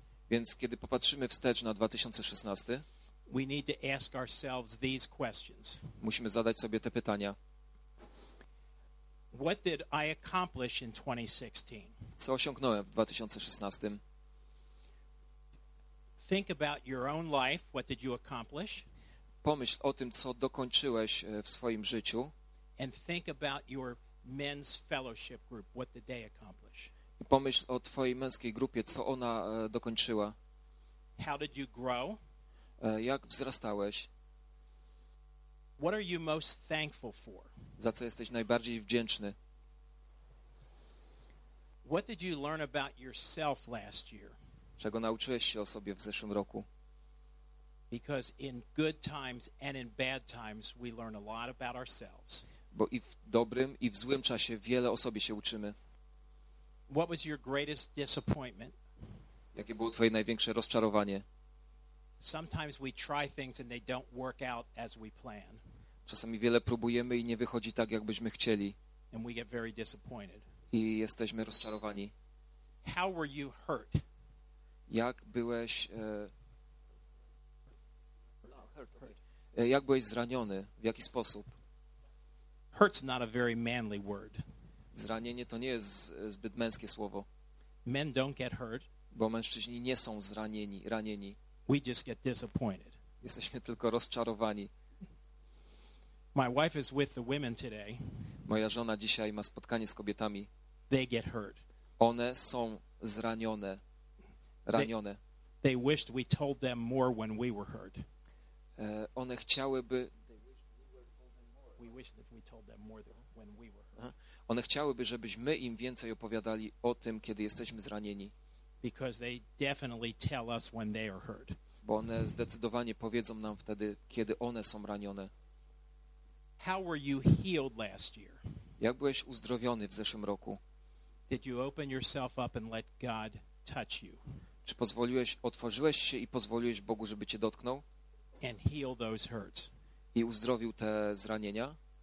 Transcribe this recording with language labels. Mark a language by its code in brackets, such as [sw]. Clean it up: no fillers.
[pl] Więc kiedy popatrzymy wstecz na 2016, [en] we need to ask ourselves these questions. [pl] Musimy zadać sobie te pytania. [en] What did I accomplish in 2016? [pl] Co osiągnąłem w 2016? [en] Think about your own life. What did you accomplish? [pl] Pomyśl o tym, co dokończyłeś w swoim życiu. [en] And think about your men's fellowship group. What did they accomplish? [pl] I pomyśl o twojej męskiej grupie, co ona dokończyła. [en] How did you grow? [pl] Jak wzrastałeś? What are you most thankful for? Za co jesteś najbardziej wdzięczny? What did you learn about yourself last year? Czego nauczyłeś się o sobie w zeszłym roku? Because in good times and in bad times we learn a lot about ourselves. Bo i w dobrym i w złym czasie wiele o sobie się uczymy. What was your greatest disappointment? Jakie było twoje największe rozczarowanie? Sometimes we try things and they don't work out as we plan. Czasami wiele próbujemy i nie wychodzi tak, jakbyśmy chcieli. And we get very disappointed. I jesteśmy rozczarowani. How were you hurt? Jak byłeś jak byłeś zraniony? W jaki sposób? [en] Hurt's not a very manly word. [pl] Zranienie to nie jest zbyt męskie słowo. [en] Men don't get hurt. [pl] Bo mężczyźni nie są zranieni, ranieni. [en] We just get disappointed. [pl] Jesteśmy tylko rozczarowani. [en] My wife is with the women today. [pl] Moja żona dzisiaj ma spotkanie z kobietami. [en] They get hurt. [pl] One są zranione, ranione. [en] They wished we told them more when we were hurt. [pl] One chciałyby. [en] We wish that we told them more when we were hurt. [pl] One chciałyby, żebyśmy im więcej opowiadali o tym, kiedy jesteśmy zranieni. [en] Because they definitely tell us when they are hurt. [pl] Bo one zdecydowanie powiedzą nam wtedy, kiedy one są ranione. [en] How were you healed last year? [pl] Jak byłeś uzdrowiony w zeszłym roku? [en] Did you open yourself up and let God touch you? [pl] Czy pozwoliłeś, otworzyłeś się i pozwoliłeś Bogu, żeby cię dotknął? [en] And heal those hurts. [pl] I uzdrowił te zranienia?